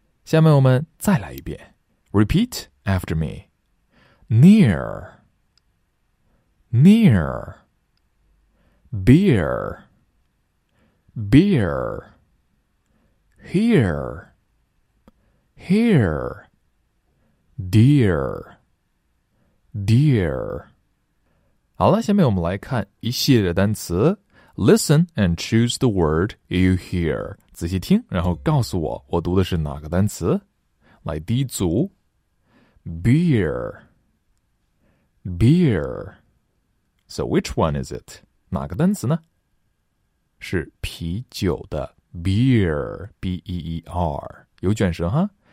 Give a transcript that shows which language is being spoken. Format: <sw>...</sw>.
<zh>下面我们再来一遍</zh> <en>，repeat after me，near，near，beer，beer，here，here，dear，dear。</en> <zh>好了，下面我们来看一系列的单词。</zh> <en>Listen and choose the word you hear.</en> <zh>仔细听，然后告诉我，我读的是哪个单词。来，第一组。Beer. Beer.</zh> <en>So which one is it?</en> <zh>哪个单词呢？是啤酒的 beer, B-E-E-R, 有卷舌哈。</zh>